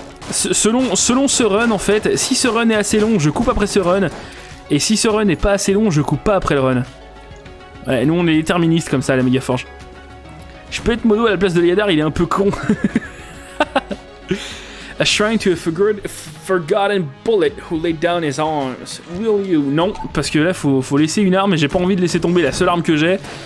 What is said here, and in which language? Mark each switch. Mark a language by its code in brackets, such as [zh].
[fr] Selon ce run en fait, si ce run est assez long, je coupe après ce run. Et si ce run n'est pas assez long, je coupe pas après le run. Ouais, nous on est déterministes comme ça à la Megaforge. Je peux être modo à la place de Liadar, il est un peu con. [en] A shrine to a forgotten bullet who laid down his arms. Will you? [fr] Non, parce que là, faut laisser une arme et j'ai pas envie de laisser tomber la seule arme que j'ai.